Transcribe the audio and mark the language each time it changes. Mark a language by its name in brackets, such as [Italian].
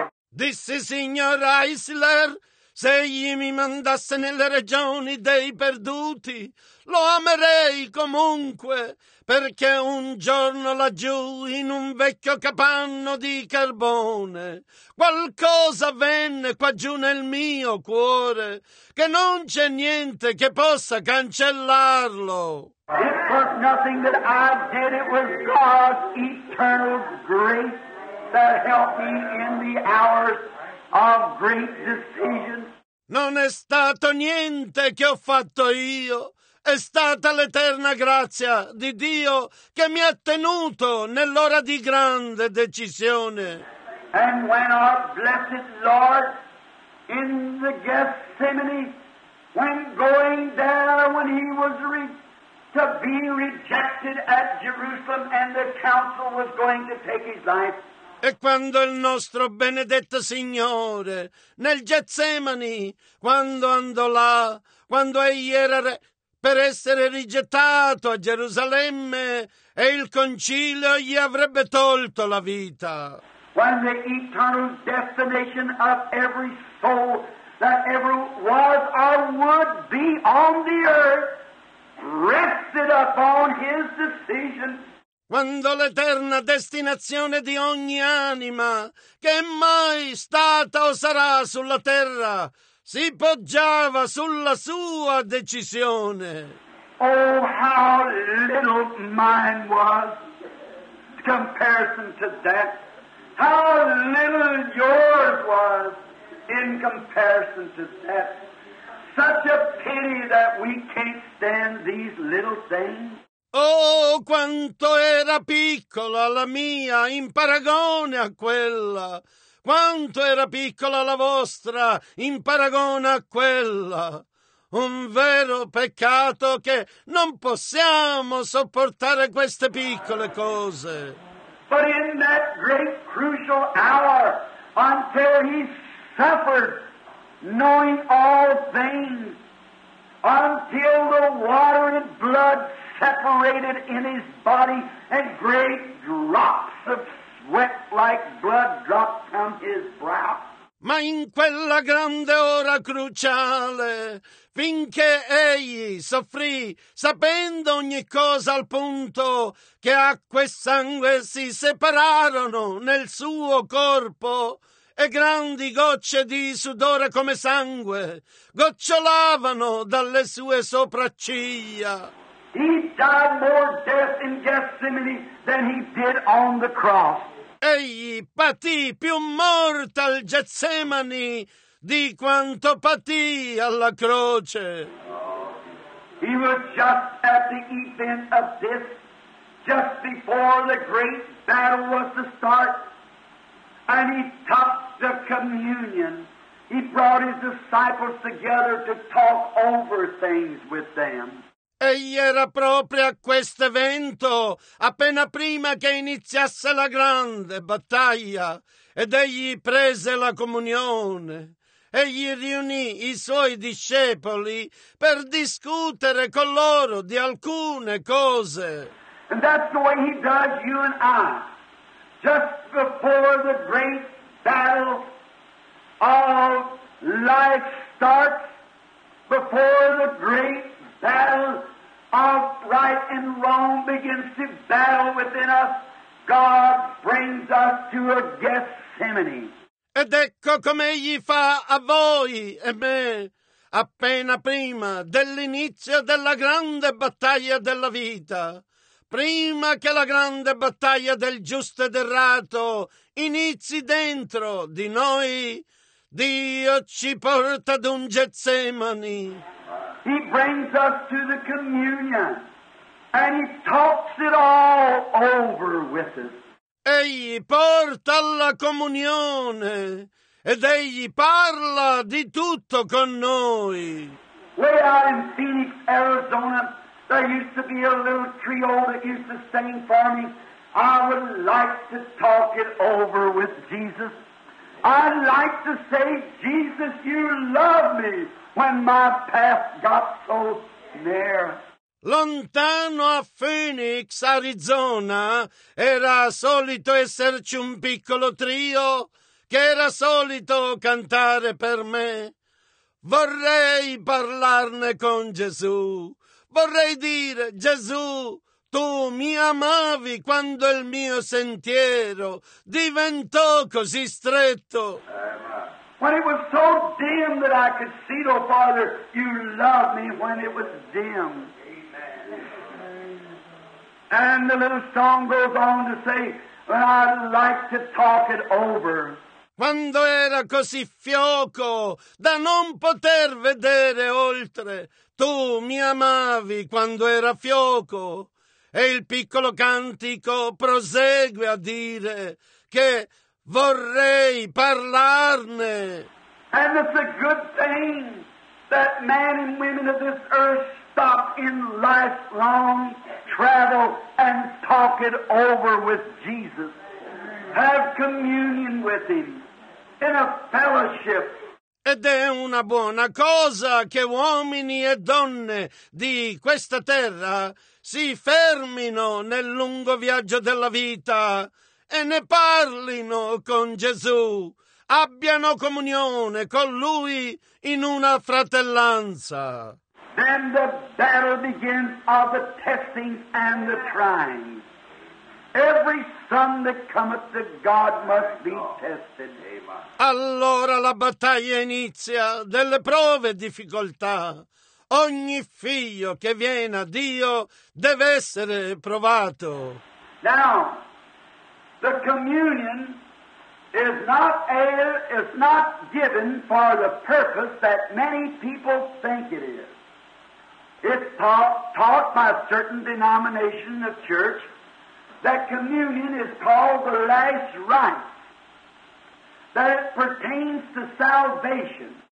[Italian] Disse, signor Eisler, se egli mi mandasse nelle regioni dei perduti, lo amerei comunque, perché un giorno laggiù, in un vecchio capanno di carbone, qualcosa venne qua giù nel mio cuore, che non c'è niente che possa cancellarlo. [English] It was nothing that I did, it was God's eternal grace that helped me in the hours of great decision. [Italian] Non è stato niente che ho fatto io. È stata l'eterna grazia di Dio che mi ha tenuto nell'ora di grande decisione. [English] And when our blessed Lord in the Gethsemane, when going there, when he was to be rejected at Jerusalem and the council was going to take his life. [Italian] E quando il nostro benedetto Signore, nel Getsemani, quando andò là, quando egli era per essere rigettato a Gerusalemme, e il concilio gli avrebbe tolto la vita. [English] When the eternal destination of every soul that ever was or would be on the earth rested upon his decision. [Italian] Quando l'eterna destinazione di ogni anima che è mai stata o sarà sulla terra si poggiava sulla sua decisione. [English] Oh, how little mine was in comparison to that. How little yours was in comparison to that. Such a pity that we can't stand these little things. [Italian] Oh, quanto era piccola la mia in paragone a quella! Quanto era piccola la vostra in paragone a quella! Un vero peccato che non possiamo sopportare queste piccole cose! [English] But in that great crucial hour, until he suffered, knowing all things, until the water and blood separated in his body and great drops of sweat like blood dropped from his brow. [Italian] Ma in quella grande ora cruciale, finché egli soffrì, sapendo ogni cosa al punto che acqua e sangue si separarono nel suo corpo e grandi gocce di sudore come sangue gocciolavano dalle sue sopracciglia. [English] He died more death in Gethsemane than he did on the cross. [Italian] Egli patì più morte al Getsemani di quanto patì alla croce. [English] He was just at the event of this, just before the great battle was to start, and he took the communion. He brought his disciples together to talk over things with them. [Italian] Egli era proprio a questo evento, appena prima che iniziasse la grande battaglia, ed egli prese la comunione. Egli riunì i suoi discepoli per discutere con loro di alcune cose. [English] And that's the way he does you and I. Just before the great battle of life starts, before the great battle of right and wrong begins to battle within us, God brings us to a Gethsemane. [Italian] Ed ecco come egli fa a voi e me, appena prima dell'inizio della grande battaglia della vita, prima che la grande battaglia del giusto ed errato inizi dentro di noi, Dio ci porta ad un Getsemani. [English] He brings us to the communion and he talks it all over with us. [Italian] Egli porta alla comunione ed egli parla di tutto con noi. [English] Way out in Phoenix, Arizona, there used to be a little trio that used to sing for me. I would like to talk it over with Jesus. I'd like to say, Jesus, you love me. When my path got so near. [Italian] Lontano a Phoenix, Arizona, era solito esserci un piccolo trio che era solito cantare per me. Vorrei parlarne con Gesù. Vorrei dire, Gesù, tu mi amavi quando il mio sentiero diventò così stretto. [English] When it was so dim that I could see, oh Father, you loved me when it was dim. Amen. And the little song goes on to say, well, I'd like to talk it over. [Italian] quando era così fioco da non poter vedere oltre. Tu mi amavi quando era fioco. E il piccolo cantico prosegue a dire che vorrei parlarne. [English] And it's a good thing that men and women of this earth stop in lifelong travel and talk it over with Jesus. Have communion with him in a fellowship. [Italian] Ed è una buona cosa che uomini e donne di questa terra si fermino nel lungo viaggio della vita e ne parlino con Gesù, abbiano comunione con Lui in una fratellanza. [English] Then the battle begins of the testing and the trying. Every son that cometh to God must be tested. [Italian] Allora la battaglia inizia delle prove e difficoltà. Ogni figlio che viene a Dio deve essere provato. [English] Now, the communion is not given for the purpose that many people think it is. It's taught by a certain denomination of church that communion is called the last rite, that it pertains to salvation.